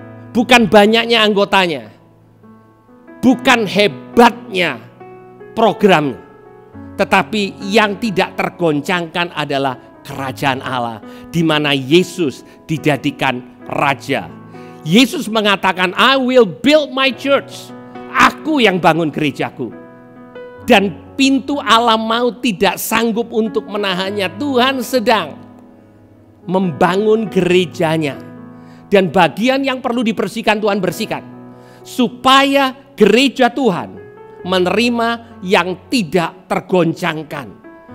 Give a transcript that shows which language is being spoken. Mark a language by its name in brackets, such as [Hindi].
[Indonesian] bukan banyaknya anggotanya, bukan hebatnya programnya, tetapi yang tidak tergoncangkan adalah kerajaan Allah, di mana Yesus dijadikan raja. Yesus mengatakan, [English] I will build my church. [Indonesian] Aku yang bangun gerejaku. Dan pintu alam maut tidak sanggup untuk menahannya. Tuhan sedang membangun gerejanya. Dan bagian yang perlu dibersihkan, Tuhan bersihkan. Supaya gereja Tuhan menerima yang tidak tergoncangkan.